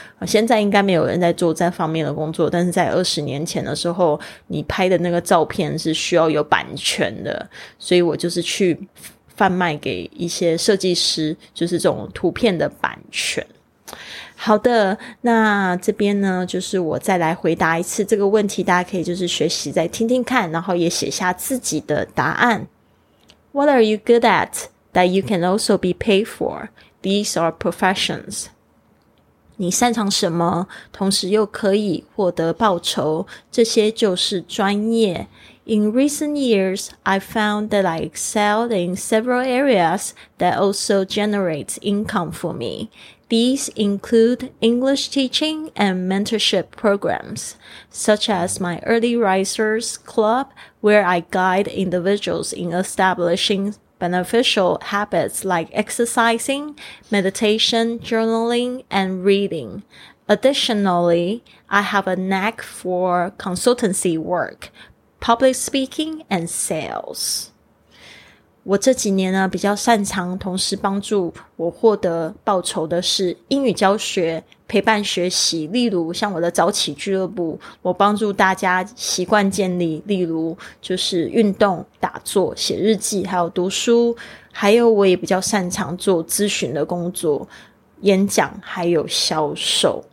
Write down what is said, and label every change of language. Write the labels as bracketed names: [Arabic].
[Chinese] 现在应该没有人在做这方面的工作，但是在20年前的时候，你拍的那个照片是需要有版权的，所以我就是去贩卖给一些设计师，就是这种图片的版权。好的，那这边呢就是我再来回答一次这个问题，大家可以就是学习再听听看，然后也写下自己的答案。 [English] What are you good at that you can also be paid for? These are professions. [Chinese] 你擅长什么同时又可以获得报酬，这些就是专业。 [English] In recent years, I found that I excelled in several areas that also generate income for meThese include English teaching and mentorship programs, such as my Early Risers Club, where I guide individuals in establishing beneficial habits like exercising, meditation, journaling, and reading. Additionally, I have a knack for consultancy work, public speaking, and sales. [Chinese] 我这几年呢比较擅长同时帮助我获得报酬的是英语教学、陪伴学习，例如像我的早起俱乐部，我帮助大家习惯建立，例如就是运动、打坐、写日记，还有读书，还有我也比较擅长做咨询的工作、演讲还有销售。